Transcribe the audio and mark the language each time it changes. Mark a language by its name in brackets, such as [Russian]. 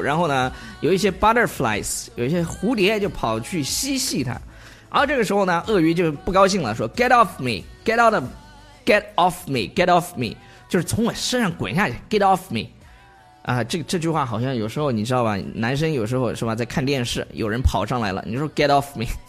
[Chinese] 然后呢，有一些 butterflies， 有一些蝴蝶就跑去嬉戏它。然后这个时候呢，鳄鱼就不高兴了，说 [English] "Get off me, get out of, get off me, get off me， [Chinese] 就是从我身上滚下去 [English] ，get off me。 [Chinese] 啊，这句话好像有时候你知道吧，男生有时候是吧，在看电视，有人跑上来了，你说 [English] get off me。